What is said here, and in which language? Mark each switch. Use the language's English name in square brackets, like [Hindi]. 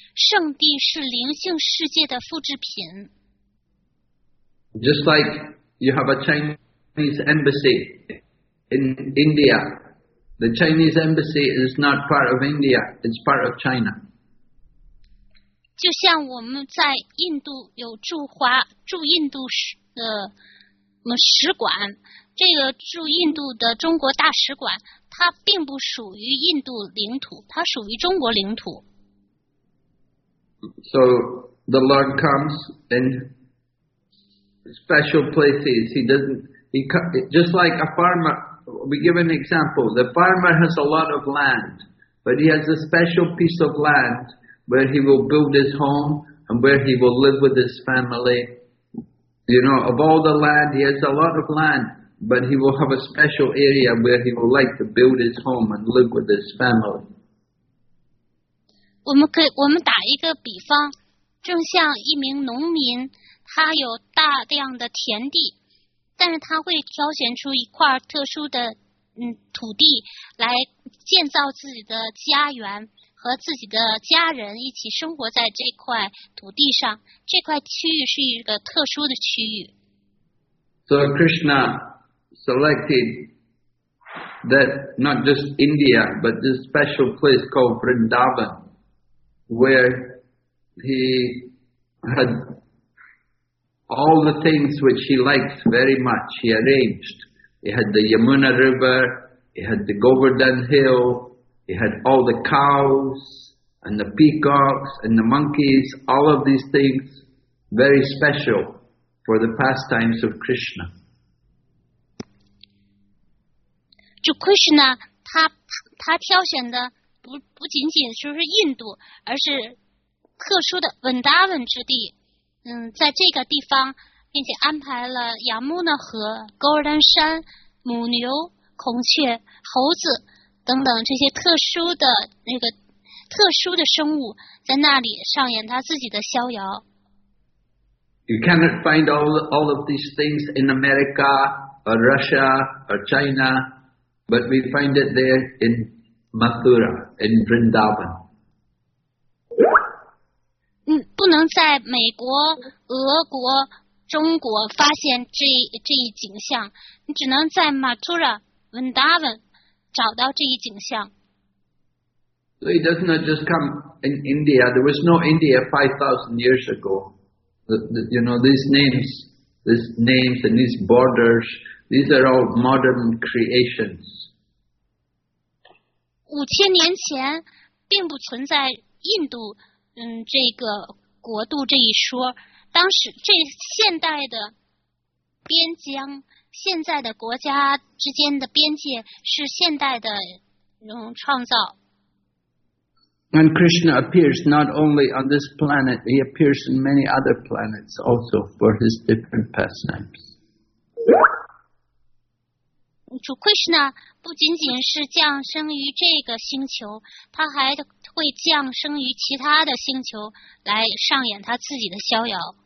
[Chinese] 圣地是灵性世界的复制品。 [English] Just like you have a Chinese embassy in India. The Chinese embassy is not part of India, it's part of China. [Chinese] 就像我们在印度有驻印度的使馆，这个驻印度的中国大使馆，它并不属于印度领土，它属于中国领土。 [English] So the Lord comes in special places. Just like a farmer, we give an example. The farmer has a lot of land, but he has a special piece of land where he will build his home and where he will live with his family. You know, of all the land, he has a lot of land, but he will have a special area where he will like to build his home and live with his family. [Chinese] 我们打一个比方，正像一名农民，他有大量的田地，但是他会挑选出一块特殊的土地来建造自己的家园和自己的家人一起生活在这块土地上，这块区域是一个特殊的区域。 [English] So Krishna selected that not just India, but this special place called Vrindavan, where he had all the things which he liked very much, he arranged. He had the Yamuna River, he had the Govardhan Hill, he had all the cows and the peacocks and the monkeys, all of these things very special for the pastimes of Krishna. [Chinese] 就 Krishna 他挑选的 不仅仅就是印度，而是特殊的 Vrindavan 之地。在这个地方并且安排了亚穆纳河、Golden 山、母牛、孔雀、猴子等等这些特殊的那个特殊的生物，在那里上演他自己的逍遥。 [English] You cannot find all of these things in America or Russia or China, but we find it there in Mathura, in Vrindavan. [Chinese] 不能在美国、俄国、中国发现这一景象，你只能在 Mathura, Vrindavan 找到这一景象。 [English] So it does not just come in India. There was no India 5,000 years ago. You know, these names and these borders, these are all modern creations. 5,000 years ago, [Chinese] 并不存在印度。这个国度这一说，当时这现代的边疆，现在的国家之间的边界是现代的创造。 [English] And Krishna appears not only on this planet, he appears in many other planets also for his different pastimes. [Chinese] 主 Krishna 不仅仅是降生于这个星球，他还会降生于其他的星球来上演他自己的逍遥。